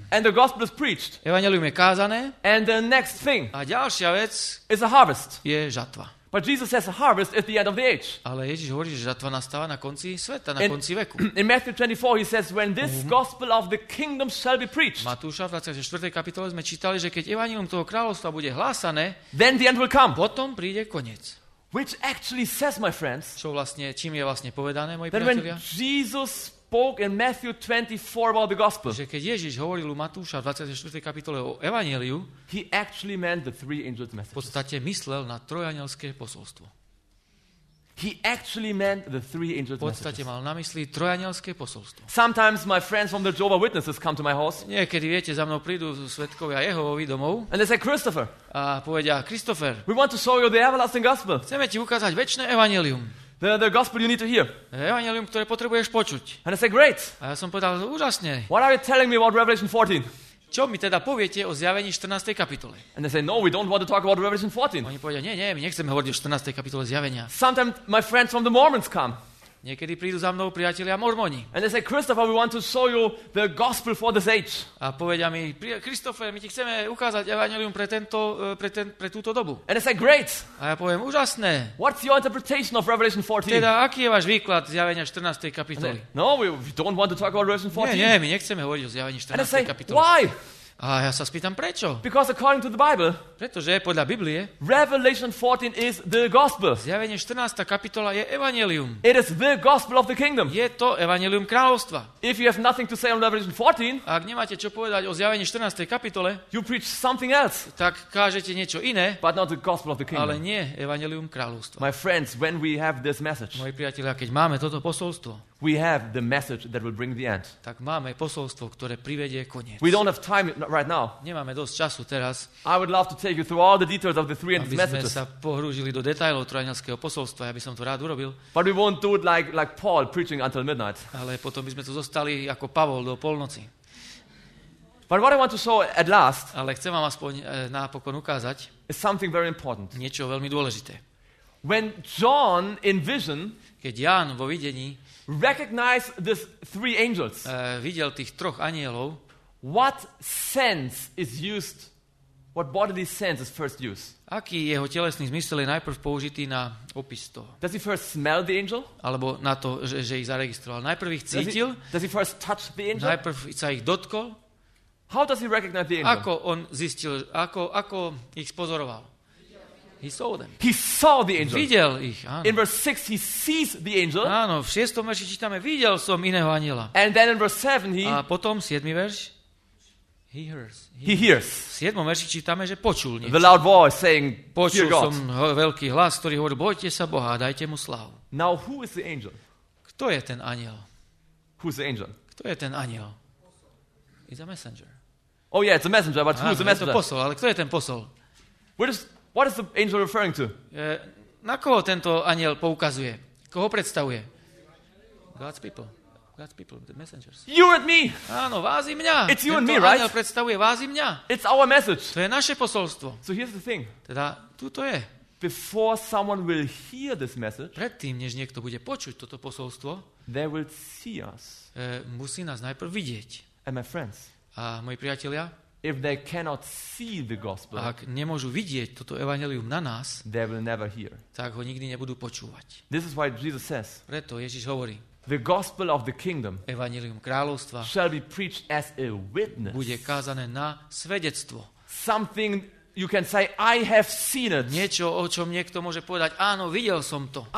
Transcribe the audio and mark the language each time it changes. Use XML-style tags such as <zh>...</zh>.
<en>And the gospel is preached.</en> <sk>Evanjelium je kázané.</sk> <en>And the next thing.</en> <sk>A ďalšia vec.</sk> <en>Is a harvest.</en> <sk>Je žatva.</sk> <en>But Jesus says a harvest is the end of the age.</en> <sk>Ale Ježiš hovorí, že žatva nastáva na konci sveta, na konci veku.</sk> <en>In Matthew 24 he says when this gospel of the kingdom shall be preached.</en> <sk>Matúša v 24. kapitole sme čítali, že keď evanjelium toho kráľovstva bude hlásané,</sk> <en>then the end will come.</en> <sk>Potom príde koniec.</sk> <en>Which actually says, my friends,</en> <sk>čo vlastne, čím je vlastne povedané, moji priatelia?</sk> <en>Jesus spoke in Matthew 24 about the gospel.</en> <sk>Že keď Ježiš hovoril u Matúša v 24. kapitole o evanjeliu,</sk> <en>he actually meant the three angels' messages.</en> <sk>V podstate myslel na trojanielské posolstvo.</sk> <en>He actually meant the three angel</en> <sk>messages. V podstate mal na mysli trojanielské posolstvo.</sk> <en>Sometimes my friends from the Jehovah Witnesses come to my house.</en> <sk>Niekedy, viete, za mnou prídu svedkovia Jehovovi domov.</sk> <en>And they say, Christopher.</en> <sk>A povedia, Christopher.</sk> <en>We want to show you the everlasting gospel.</en> <sk>Chceme ti ukázať večné evanjelium.</sk> <en>The gospel you need to hear.</en> <sk>Evanjelium, ktoré potrebuješ počuť.</sk> <en>And I say, great.</en> <sk>A ja som povedal, úžasne.</sk> <en>What are you telling me about Revelation 14?</en> <sk>Čo mi teda poviete o zjavení 14. kapitole?</sk> <en>And they say, no, we don't want to talk about Revelation 14.</en> <sk>Oni povedia, nie, my nechceme hovoriť o 14. kapitole zjavenia.</sk> <en>Sometimes my friends from the Mormons come.</en> <sk>Niekedy prídu za mnou priatelia Mormoni.</sk> <en>And they say, Christopher, we want to show you the gospel for this age.</en> <sk>A povedia mi, Christopher, my ti chceme ukázať evanjelium pre túto dobu.</sk> <en>And they say, great.</en> <sk>A ja poviem, úžasné.</sk> <en>What's your interpretation of Revelation 14?</en> <sk>Teda, aký je váš výklad zjavenia 14. kapitoly?</sk> <en>No, we don't want to talk about Revelation 14.</en> <sk>Nie, my nechceme hovoriť o zjavení 14. kapitoly.</sk> <en>And they say, why?</en> <sk>A ja sa spýtam, prečo?</sk> <en>Because according to the Bible,</en> <sk>pretože podľa Biblie,</sk> <en>Revelation 14 is the gospel.</en> <sk>Zjavenie 14. kapitola je evanjelium.</sk> <en>It is the gospel of the kingdom.</en> <sk>Je to evanjelium kráľovstva.</sk> <en>If you have nothing to say on Revelation 14,</en> <sk>ak nemáte čo povedať o zjavení 14. kapitole,</sk> <en>you preach something else.</en> <sk>Tak kážete niečo iné,</sk> <en>but not the gospel of the kingdom.</en> <sk>Ale nie evanjelium kráľovstva.</sk> <en>My friends, when we have this message,</en> <sk>moji priatelia, keď máme toto posolstvo,</sk> <en>we have the message that will bring the end.</en> <sk>Tak máme posolstvo, ktoré privedie koniec.</sk> <en>We don't have time right now.</en> <sk>Nemáme dosť času teraz.</sk> <en>I would love to take you through all the details of the three angel messages.</en> <sk>Aby sme sa pohrúžili do detailov trojanielského posolstva, ja by som to rád urobil.</sk> <en>But we won't do it like Paul preaching until midnight.</en> <sk>Ale potom by sme to zostali ako Pavol do polnoci.</sk> <en>But what I want to show at last,</en> <sk>ale chcem vám aspoň napokon ukázať,</sk> <en>is something very important.</en> <sk>Niečo veľmi dôležité.</sk> <en>When John in vision,</en> <sk>keď Ján vo videní</sk> <en>recognize this three angels.</en> <sk>Videl tých troch anielov.</sk> <en>What sense is used? What bodily sense is first used?</en> <sk>Aký jeho telesný zmysel je najprv použitý na opis toho?</sk> <en>Does he first smell the angel?</en> <sk>Alebo na to, že ich zaregistroval. Najprv ich cítil?</sk> <en>Does he first touch the angel?</en> <sk>Najprv sa ich dotkol?</sk> <en>How does he recognize the angel?</en> <sk>Ako on zistil, ako ich spozoroval?</sk> <en>He saw them. He saw the angel.</en> <sk>Videl ich, áno.</sk> <en>In verse 6 he sees the angel.</en> <sk>Áno, v 6. verši čítame, videl som iného anjela.</sk> <en>And then in verse 7 he</en> <sk>A potom 7. verš.</sk> <en>He hears. He hears.</en> <sk>V 7. verši čítame, že počul niečo.</sk> <en>The loud voice saying,</en> <sk>počul</sk> <en>God.</en> <sk>Som veľký hlas, ktorý hovorí, bojte sa Boha, dajte mu slávu.</sk> <en>Now who is the angel?</en> <sk>Kto je ten anjel?</sk> <en>Who's the angel?</en> <sk>Kto je ten anjel?</sk> <en>It's a messenger. Oh yeah, it's a messenger, but who's the messenger?</en> <sk>Je to posol, ale kto je ten posol?</sk> <en>What is the angel referring to?</en> <sk>Na koho tento anjel poukazuje? Koho predstavuje?</sk> <en>God's people, the messengers. You and me.</en> <sk>Áno, vás i mňa.</sk> <en>It's you</en> <sk>tento</sk> <en>and me, right?</en> <sk>Anjel predstavuje vás i mňa.</sk> <en>It's our message.</en> <sk>To je naše posolstvo.</sk> <en>So here's the thing.</en> <sk>Teda, tuto je.</sk> <en>Before someone will hear this message,</en> <sk>predtým, než niekto bude počuť toto posolstvo,</sk> <en>they will see us.</en> <sk>Musí nás najprv vidieť.</sk> <en>And my friends.</en> <sk>A moji priatelia,</sk> <en>if they cannot see the gospel,</en> <sk>ak nemôžu vidieť toto evanjelium na nás,</sk> <en>they will never hear.</en> <sk>Tak ho nikdy nebudú počúvať.</sk> <en>This is why Jesus says,</en> <sk>preto Ježiš hovorí,</sk> <en>the gospel of the kingdom,</en> <sk>evanjelium kráľovstva,</sk> <en>shall be preached as a witness,</en> <sk>bude kázané na svedectvo.</sk> <en>Something you can say, I have seen it.</en> <sk>Niečo, o čom niekto môže povedať, áno, videl som to.</sk>